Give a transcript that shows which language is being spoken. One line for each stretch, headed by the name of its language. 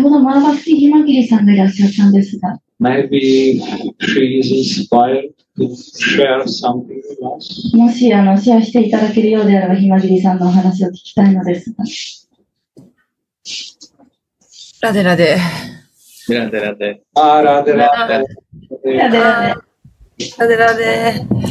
Japanese: ほどマーバクティヒマギリさんがいらっしゃったんですが、
English: Maybe she is inspired to share something with us.
Japanese: もしあのシェアしていただけるようであればヒマギリさんのお話を聞きたいのですが。ラデラデ。ラデラデ。あラデラデ。ラデラデ。ラデラデ。